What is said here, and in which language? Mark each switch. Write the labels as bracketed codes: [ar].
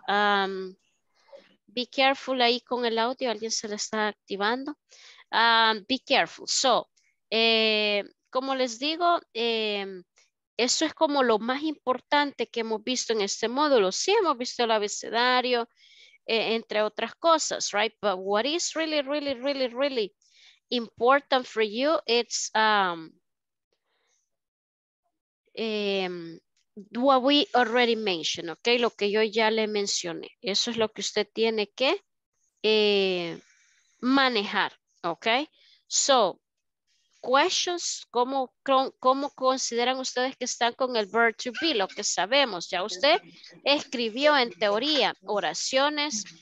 [en] Be careful [es] ahí con el audio, alguien se le está activando. [en] Be careful. [es] So, como les digo, eso es como lo más importante que hemos visto en este módulo. Sí, hemos visto el abecedario, entre otras cosas, right? [en] But what is really, really, really, really important for you, it's what we already mentioned, okay? [es] Lo que yo ya le mencioné. Eso es lo que usted tiene que manejar, okay? [en] So, questions, [es] ¿cómo consideran ustedes que están con el verb to be? Lo que sabemos, ya usted escribió en teoría oraciones.